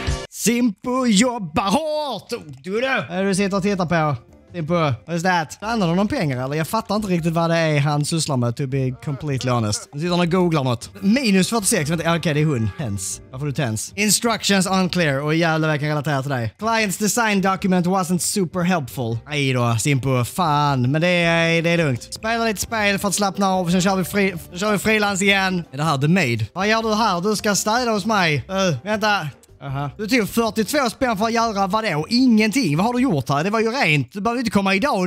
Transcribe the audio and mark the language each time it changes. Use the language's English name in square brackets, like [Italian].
[Swedish] Simpo jobbar hårt. Du då? Är du sitter och tittar på? [English] Simpo, what's that? [Swedish] Tjänar han någon pengar eller? Jag fattar inte riktigt vad det är han sysslar med, [English] to be completely honest. [Swedish] Nu sitter han och googlar något. Minus 46, vänta, okej, det är hon. [English] Tens. [Swedish] Varför du tens? [English] Instructions unclear, [Swedish] och jävlar vad jag kan relatera till dig. [English] Client's design document wasn't super helpful. [Swedish] Aj då, Simpo, fan, men det är lugnt. Spela lite spel för att slappna av, sen kör vi freelance igen. Är det här The Maid? Vad gör du här? Du ska städa hos mig. Vänta. Du tog 42 spänn för att göra vadå? Ingenting. Vad har du gjort här? Det var ju rent. Du behöver inte komma idag.